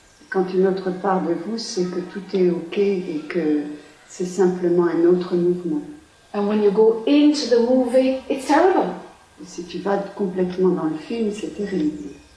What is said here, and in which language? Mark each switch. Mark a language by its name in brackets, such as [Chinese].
[French] Quand une autre part de vous sait que tout est ok et que c'est simplement un autre mouvement. [English] And when you go into the movie, it's terrible. [French] Et si tu vas complètement dans le film, c'est terrible.